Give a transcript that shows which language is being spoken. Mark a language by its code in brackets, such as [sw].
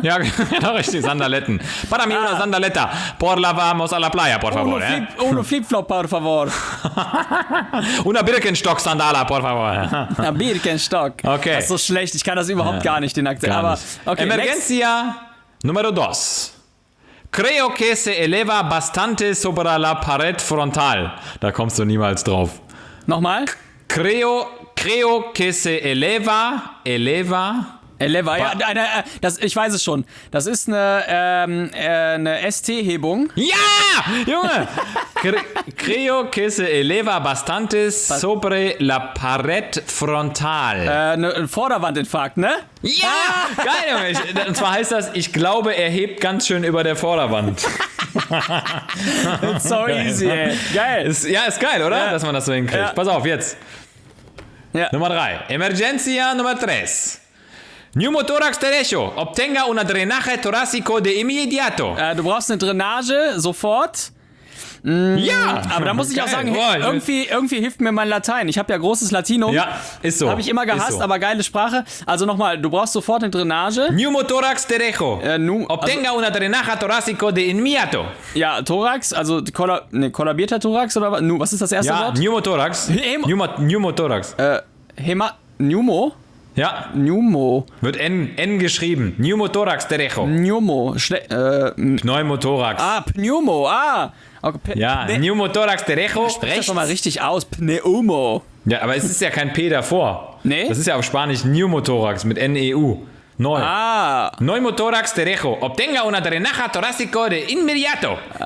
[de] Ja, genau, richtig. Sandaletten. [es] Para mi una sandaletta. Por la vamos a la playa, por favor. Uno flip-flop, por favor. Una Birkenstock sandala, por favor. [de] Ja, Birkenstock. Okay. Das ist so schlecht. Ich kann das überhaupt gar nicht, den Akzent. Aber, okay, [es] Emergencia. Numero dos. Creo que se eleva bastante sobre la pared frontal. [de] Da kommst du niemals drauf. Nochmal? [es] Creo que se eleva. Eleva. [de] Eleva, ja, das, ich weiß es schon. Das ist eine ST-Hebung. Ja! Junge! [es] Creo que se eleva bastante sobre la pared frontal. [de] Ein Vorderwandinfarkt, ne? Ja! Ah! Geil, Junge! Und zwar heißt das, ich glaube, er hebt ganz schön über der Vorderwand. [en] So easy, ey. [de] Geil. Ist geil, oder? Ja. Dass man das so hinkriegt. Ja. Pass auf, jetzt. Ja. Nummer 3. Emergencia Nummer 3. [es] Pneumothorax derecho, obtenga una drenaje torácico de inmediato. [de] Du brauchst eine Drainage sofort. Ja! Aber da muss ich auch sagen, irgendwie hilft mir mein Latein. Ich habe ja großes Latinum. Ja, ist so. Habe ich immer gehasst, so, aber geile Sprache. Also nochmal, du brauchst sofort eine Drainage. [es] Pneumothorax derecho, obtenga una drenaje torácico de inmediato. [de] Ja, Thorax, also kollabierter Thorax oder was? Was ist das erste Wort? Pneumothorax. Pneumothorax. Pneumo? Ja. Pneumo. Wird N geschrieben. [es] Pneumothorax derecho. [de] Pneumo. Pneumothorax. Ah, Pneumo. Ah. [es] Okay. Pneumothorax derecho. [de] Sprech das doch mal richtig aus. Pneumo. Ja, aber es ist ja kein P davor. Nee? Das ist ja auf Spanisch Pneumothorax mit N-E-U. Neu. Ah. [es] Pneumothorax derecho. Obtenga una drenaje torácico de inmediato.